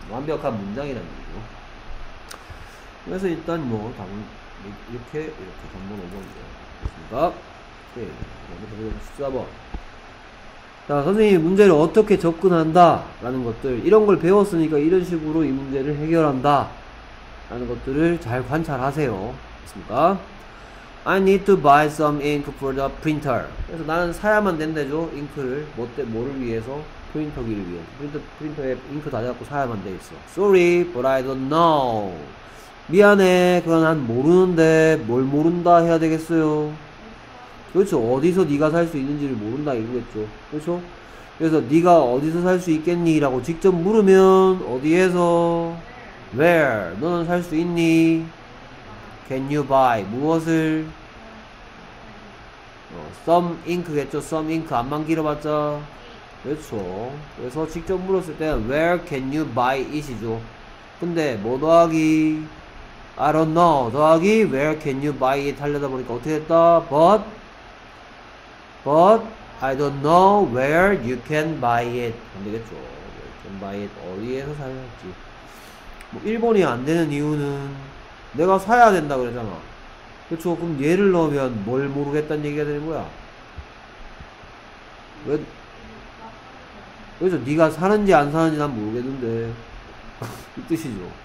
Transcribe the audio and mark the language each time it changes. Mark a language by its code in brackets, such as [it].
[ko] 완벽한 문장이라는 거죠. 그래서 일단 뭐, 답은 이렇게, 전문 5번이에요. 그렇습니까? 오케이. 14번. 자, 선생님이 문제를 어떻게 접근한다? 라는 것들. 이런 걸 배웠으니까 이런 식으로 이 문제를 해결한다. 라는 것들을 잘 관찰하세요. 맞습니까? [en] I need to buy some ink for the printer. [ko] 그래서 나는 사야만 된대죠. 잉크를. 뭐를 위해서? 프린터기를 위해서. 프린터에 잉크 다 돼갖고 사야만 돼 있어. [en] Sorry, but I don't know. [ko] 미안해. 그건 난 모르는데. 뭘 모른다 해야 되겠어요. 그렇죠. 어디서 네가 살수 있는지를 모른다 이거겠죠. 그렇죠? 그래서 네가 어디서 살수 있겠니라고 직접 물으면 어디에서? [en] Where? [ko] 너는 살수 있니? [en] Can you buy [ko] 무엇을? Some ink겠죠. Some ink 안만 길어봤자. 그렇죠. 그래서 직접 물었을 때 [en] Where can you buy it이죠. [ko] 근데 뭐 더하기? [en] I don't know [ko] 더하기 [en] Where can you buy it [ko] 하려다 보니까 어떻게 했다? [en] But I don't know where you can buy it. [ko] 안 되겠죠. [en] Where can buy it? [ko] 어디에서 사야 할지. 뭐 1번이 안 되는 이유는 내가 사야 된다 그랬잖아. 그렇죠. 그럼 얘를 넣으면 뭘 모르겠다는 얘기가 되는 거야. 왜? 그래서 네가 사는지 안 사는지 난 모르겠는데. 이 뜻이죠.